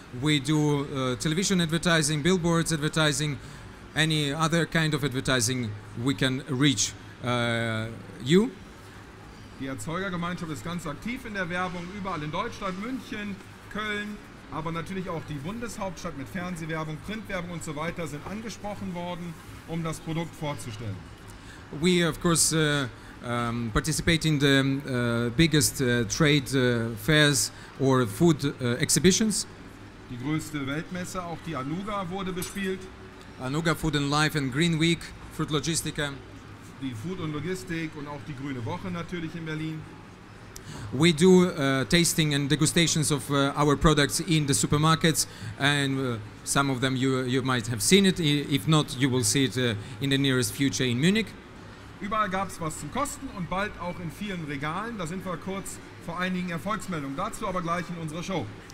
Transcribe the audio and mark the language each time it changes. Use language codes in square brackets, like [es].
[en] We do television advertising, billboards advertising, any other kind of advertising we can reach you. [de] Die Erzeugergemeinschaft ist ganz aktiv in der Werbung, überall in Deutschland, München, Köln, aber natürlich auch die Bundeshauptstadt mit Fernsehwerbung, Printwerbung und so weiter sind angesprochen worden, um das Produkt vorzustellen. [en] We of course participate in the biggest trade fairs or food exhibitions. [de] Die größte Weltmesse, auch die Anuga, wurde bespielt. [en] Anuga Food and Life and Green Week, Food Logistica. [de] Die Food und Logistik und auch die Grüne Woche natürlich in Berlin. [en] We do tasting and degustations of our products in the supermarkets, and some of them you might have seen it. If not, you will see it in the nearest future in Munich. [de] Überall gab es was zum Kosten und bald auch in vielen Regalen. Da sind wir kurz vor einigen Erfolgsmeldungen. Dazu aber gleich in unserer Show.